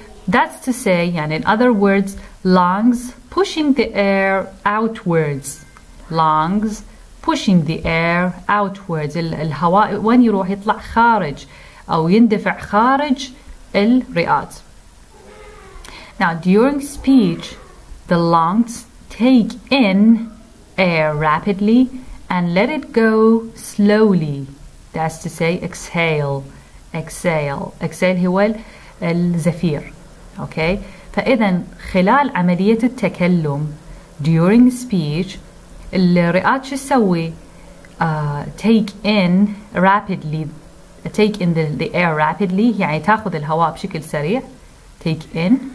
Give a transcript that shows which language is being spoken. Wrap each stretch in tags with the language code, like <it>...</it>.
<en>That's to say, and in other words, lungs pushing the air outwards. Lungs pushing the air outwards.</en> <ar>الهواء وين يروح يطلع خارج أو يندفع خارج الرئات.</ar> <en>Now, during speech, the lungs take in air rapidly and let it go slowly. That's to say, exhale, exhale.</en> <ar>Exhale هو الزفير. Okay, فإذا خلال عملية التكلم</ar> <en>during speech</en> <ar>الرئات شو تسوي</ar> <en>take in the air rapidly</en> <ar>يعني تأخذ الهواء بشكل سريع</ar> <en>take in</en>